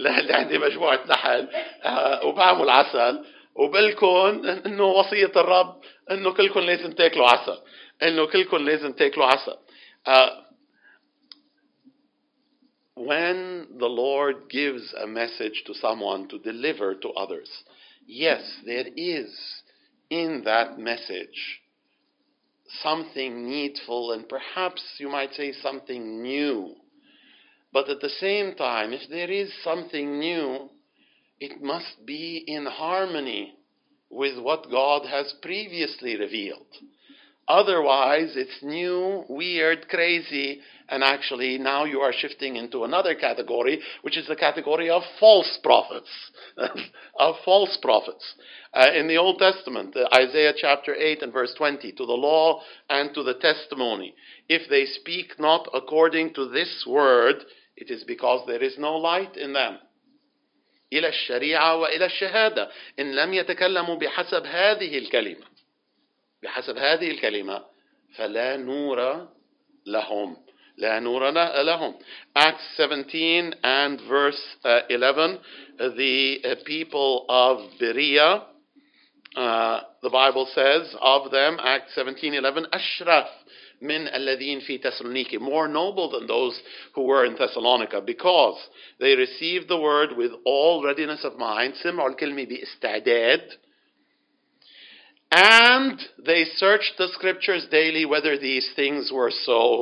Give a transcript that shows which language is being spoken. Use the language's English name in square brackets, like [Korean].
[Arabic] عندي مجموعة نحل وبعمل عسل وبلكن انه وصية الرب انه كلكن لازم تاكلوا عسل انه كلكن لازم تاكلوا عسل. [English] When the Lord gives a message to someone to deliver to others, yes, there is in that message something needful, and perhaps you might say something new. But at the same time, if there is something new, it must be in harmony with what God has previously revealed. Otherwise, it's new, weird, crazy, and actually now you are shifting into another category, which is the category of false prophets, of false prophets. In the Old Testament, Isaiah chapter 8 and verse 20, to the law and to the testimony, if they speak not according to this word, it is because there is no light in them. [Arabic] إلى الشريعة وإلى الشهادة إن لم يتكلموا بحسب هذه الكلمة بحسب هذه الكلمة فلا نور لهم لا نور لهم. [English] Acts 17 and verse 11, the people of Berea, the Bible says of them, Acts 17:11, [Arabic] أشرف من الذين في تسالونيكي, [English] more noble than those who were in Thessalonica, because they received the word with all readiness of mind, [Arabic] سمعوا الكلمة باستعداد, [English] and they searched the scriptures daily whether these things were so.